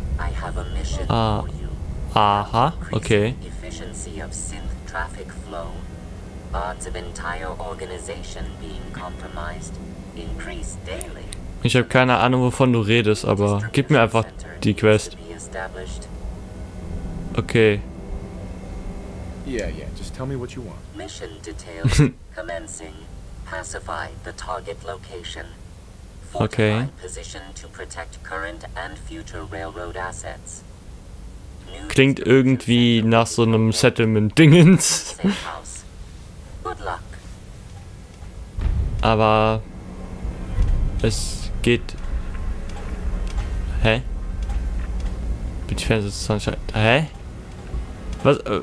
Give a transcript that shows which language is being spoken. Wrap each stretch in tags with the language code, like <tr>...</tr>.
<en>I have a mission for you. Aha, okay. Efficiency of synth traffic flow. Odds of entire organization being compromised increase daily.</en> <de>Ich habe keine Ahnung, wovon du redest, aber gib mir einfach die Quest.</de> <en>Okay. Yeah, yeah, just tell me what you want. Mission details commencing. Pacify the target location. Fortify okay. Position to protect current and future railroad assets.</en> <de>New klingt irgendwie nach so einem Settlement-Dingens.</de> <en>Good luck.</en> <de>Aber es geht. Hä? Bin ich fertig, Sunshine? Hä? Was?</de>